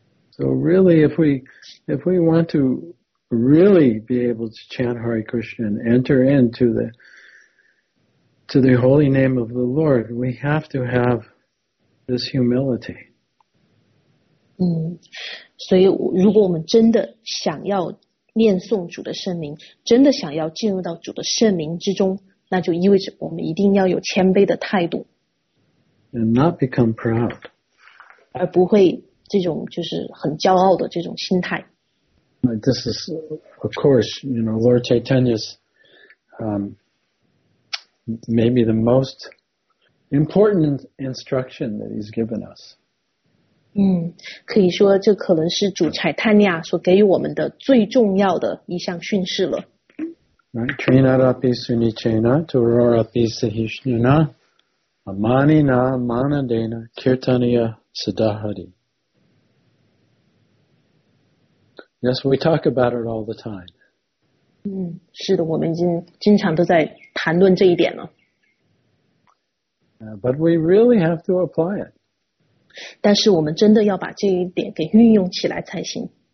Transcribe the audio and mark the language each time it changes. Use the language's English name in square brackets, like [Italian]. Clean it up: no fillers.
[English] So really, if we want to really be able to chant Hare Krishna and enter into the holy name of the Lord, we have to have this humility. [Chinese] 所以如果我们真的想要念诵主的圣名，真的想要进入到主的圣名之中，那就意味着我们一定要有谦卑的态度。 [English] And not become proud. [Chinese] 而不会这种就是很骄傲的这种心态。 [English] This is, of course, you know, Lord Chaitanya's, maybe the most important instruction that he's given us. [Chinese] 可以说这可能是主柴坦尼亚所给予我们的最重要的一项训示了。 [Sanskrit] Trinarapi sunichena, turarapi sahishnuna, amani na manadena, kirtaniya sadahari. [English] Yes, we talk about it all the time. [Chinese] 是的，我们已经经常都在谈论这一点了。 [English] But we really have to apply it. [Chinese] 但是我们真的要把这一点给运用起来才行。